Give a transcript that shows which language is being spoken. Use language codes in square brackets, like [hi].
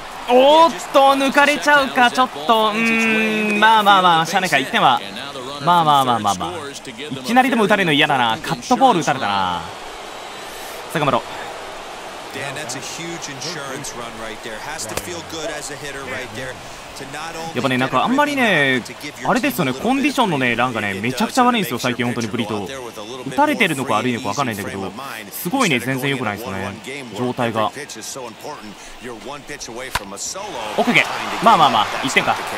[ja] おっと、抜かれちゃうか、ちょっと、まあまあまあ、しゃあないか、1点は、まあまあまあまあまあ、いきなりでも打たれるの嫌だな、カットボール打たれたな、坂本。 [en] Dan, that's a huge insurance run right there. Has to feel good as a hitter right there. To not only [ja] やっぱね、なんかあんまりね、あれですよね、コンディションのね、ランがね、めちゃくちゃ悪いんですよ、最近本当にブリト。打たれてるのか悪いのか分かんないんだけど、すごいね、全然良くないですよね、状態が。 OK、まあまあまあ、1点か。